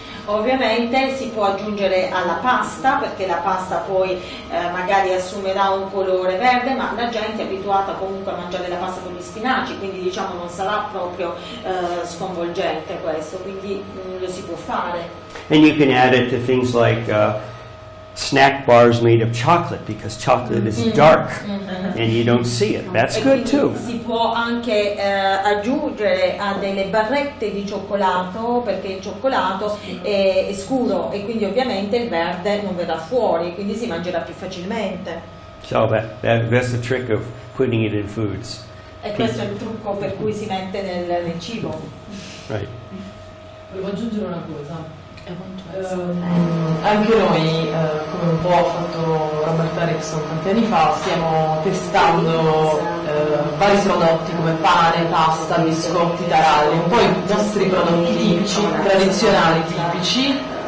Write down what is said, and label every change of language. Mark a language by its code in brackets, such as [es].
[it] Ovviamente si può aggiungere alla pasta, perché la pasta poi magari assumerà un colore verde, ma la gente è abituata comunque a mangiare la pasta con gli spinaci, quindi diciamo non sarà proprio sconvolgente questo, quindi lo si può fare. [en] And you can add it to things like snack bars made of chocolate, because chocolate is dark and you don't see it. That's good too. [it] Si può anche aggiungere a delle barrette di cioccolato, perché il cioccolato è scuro e quindi ovviamente il verde non verrà fuori, quindi si mangerà più facilmente. [en] So that's the trick of putting it in foods. [it] E questo è il trucco per cui si mette nel, nel cibo. [en] Right. [it] Volevo aggiungere una cosa. Anche noi, come un po' ha fatto Robert Erickson tanti anni fa, stiamo testando vari prodotti come pane, pasta, biscotti, taralli, un po' i nostri prodotti tipici, tradizionali, tipici.